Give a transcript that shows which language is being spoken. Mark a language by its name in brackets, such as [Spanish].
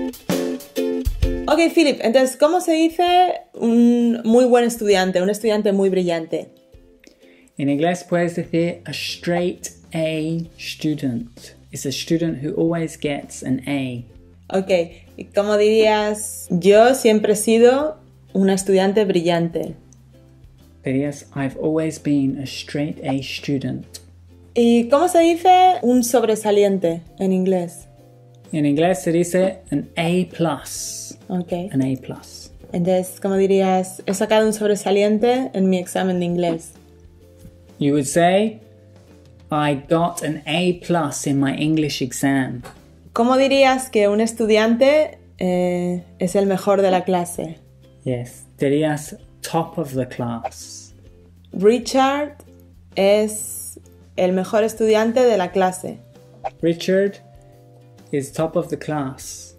[Spanish] Ok, Philip, entonces, ¿cómo se dice un muy buen estudiante, un estudiante muy brillante? En inglés puedes decir [English] a straight A student. It's a student who always gets an A. [Spanish] Ok, ¿y cómo dirías yo siempre he sido una estudiante brillante? Dirías, [English] I've always been a straight A student. [Spanish] ¿Y cómo se dice un sobresaliente en inglés? En inglés se dice [English] an A plus. Okay. An A plus. [Spanish] Entonces, ¿cómo dirías? He sacado un sobresaliente en mi examen de inglés. [English] You would say, I got an A plus in my English exam. [Spanish] ¿Cómo dirías que un estudiante es el mejor de la clase? [English] Yes, [Spanish] dirías [English] top of the class. [Spanish] Richard es el mejor estudiante de la clase. [English] Richard is top of the class.